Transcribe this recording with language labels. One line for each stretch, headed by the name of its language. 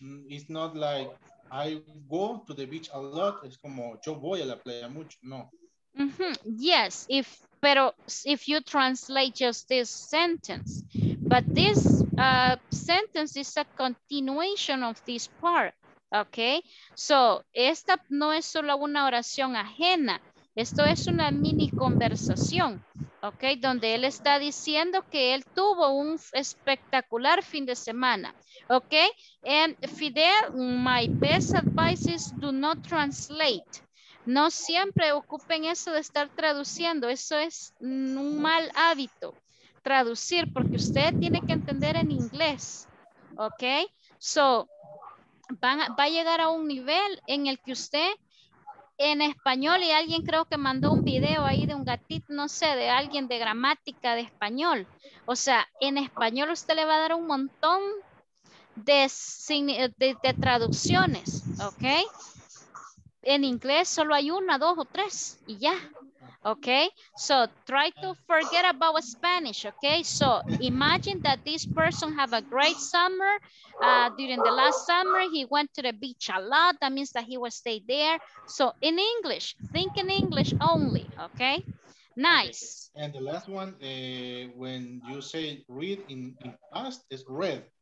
English: It's not like I go to the beach a lot. It's
Spanish: como yo voy a la playa mucho. No. Mm-hmm.
English: Yes, if you translate just this sentence, but this sentence is a continuation of this part. Okay, so
Spanish: esta no es solo una oración ajena. Esto es una mini conversación, ¿ok? Donde él está diciendo que él tuvo un espectacular fin de semana, ¿ok?
English: And Fidel, my best advice is do not translate.
Spanish: No siempre ocupen eso de estar traduciendo. Eso es un mal hábito, traducir, porque usted tiene que entender en inglés, ¿ok? So, va a llegar a un nivel en el que usted... En español, y alguien creo que mandó un video ahí de un gatito, no sé, de alguien de gramática de español. O sea, en español usted le va a dar un montón de traducciones, ¿ok? En inglés solo hay una, dos o tres y ya, ¿ok?
English: So, try to forget about Spanish, ¿ok? So, imagine that this person have a great summer. During the last summer, he went to the beach a lot. That means that he will stay there. So, in English, think in English only, ¿ok? Nice. And the last one, when you say read in past, it's read.